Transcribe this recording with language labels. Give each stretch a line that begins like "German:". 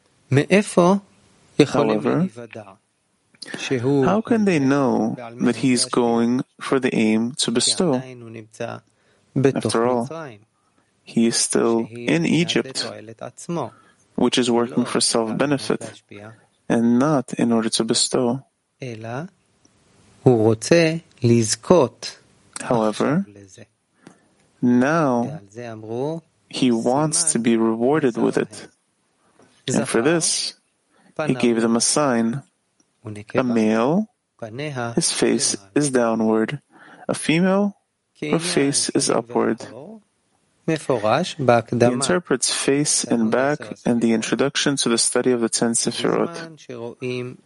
English: However, how can they know that he is going for the aim to bestow? After all, he is still in Egypt, which is working for self-benefit, and not in order to bestow.
Hebrew: Ela, הוא רוצה לזכות.
English: However, now he wants to be rewarded with it. And for this, he gave them a sign. A male, his face is downward. A female, her face is upward. He interprets face and back in the introduction to the study of the Ten Sefirot.